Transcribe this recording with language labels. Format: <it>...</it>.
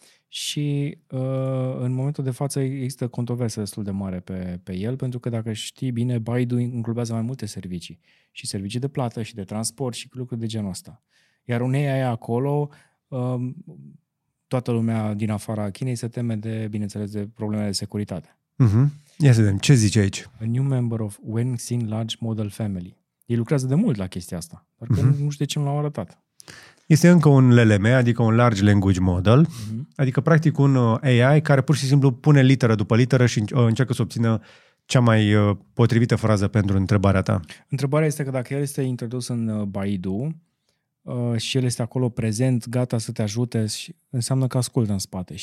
<ro>Și în momentul de față există controversă destul de mare pe el, pentru că dacă știi bine, Baidu înglobează mai multe servicii. Și servicii de plată și de transport și lucruri de genul ăsta. Iar un AI acolo, toată lumea din afara Chinei se teme de, bineînțeles, de probleme de securitate. Uh-huh. Ia să vedem, ce zice aici?</ro> <en>A new member of Wenxin Large Model Family.</en> <ro>Ei lucrează de mult la chestia asta, dar uh-huh. Nu știu de ce nu l-au arătat. Este încă un LLM, adică un Large Language Model, uh-huh. Adică practic un AI care pur și simplu pune literă după literă și încearcă să obțină cea mai potrivită frază pentru întrebarea ta. Întrebarea este că dacă el este introdus în Baidu și el este acolo prezent, gata să te ajute, înseamnă că ascultă în spate și</ro>